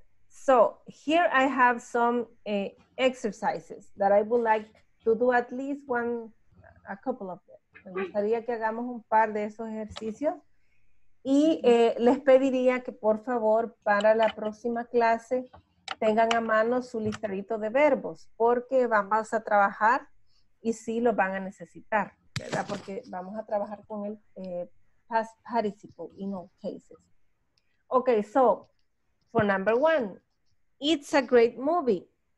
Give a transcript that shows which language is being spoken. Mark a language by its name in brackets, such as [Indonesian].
[English] So here I have some exercises that I would like to do at least a couple of them. [Spanish] Me gustaría que hagamos un par de esos ejercicios. Y les pediría que por favor para la próxima clase tengan a mano su listadito de verbos porque vamos a trabajar y sí lo van a necesitar, ¿verdad? Porque vamos a trabajar con el [English] past participle in all cases. Okay, so for number one, it's a great movie.